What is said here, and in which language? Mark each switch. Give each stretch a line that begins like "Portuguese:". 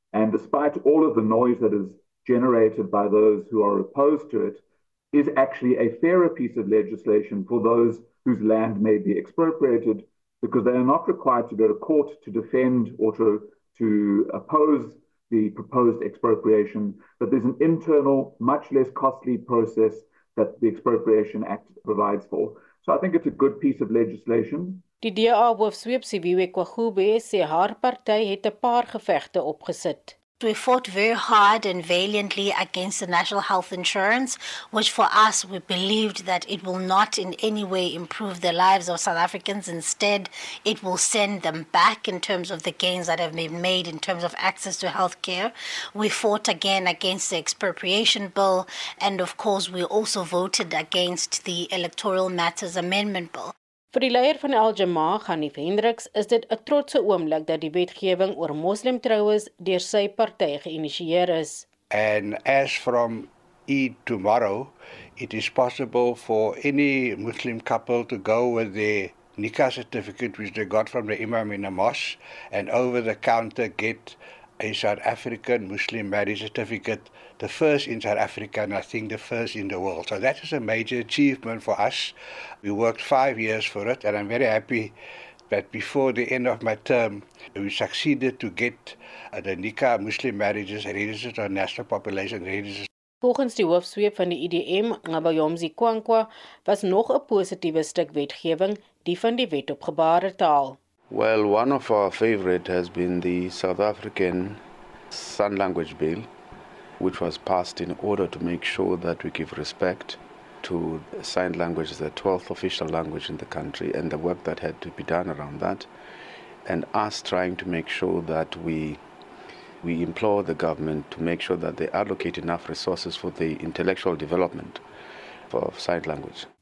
English: And despite all of the noise that is generated by those who are opposed to it, is actually a fairer piece of legislation for those whose land may be expropriated because they are not required to go to court to defend or to oppose the proposed expropriation, but there's an internal, much less costly process that the Expropriation Act provides for. So I think it's a good piece of legislation.
Afrikaans: Die DA hoofsweep Siwe Kwagube sê haar party het 'n paar gevegte opgesit.
English: We fought very hard and valiantly against the national health insurance, which for us, we believed that it will not in any way improve the lives of South Africans. Instead, it will send them back in terms of the gains that have been made in terms of access to health care. We fought again against the expropriation bill. And of course, we also voted against the electoral matters amendment bill.
Afrikaans: Vir die leier van Al-Jamaa, Ghanif Hendricks, is dit 'n trotse oomblik dat die wetgewing oor moslimtroues deur sy party geïnisieer is.
English: And as from Eid tomorrow, it is possible for any Muslim couple to go with their nikah certificate which they got from the imam in a mosque and over the counter get a South African Muslim marriage certificate, the first in South Africa and I think the first in the world. So that is a major achievement for us. We worked 5 years for it and I'm very happy that before the end of my term, we succeeded to get the Nikah Muslim marriages registered on National Population Register.
Afrikaans: Volgens die hoofsweep van die IDM, Ngabayomzi Kwankwa, was nog 'n positiewe stuk wetgewing, die van die wet op gebaretaal.
English: Well, one of our favorite has been the South African Sign Language Bill, which was passed in order to make sure that we give respect to sign language as the 12th official language in the country and the work that had to be done around that, and us trying to make sure that we implore the government to make sure that they allocate enough resources for the intellectual development of sign language.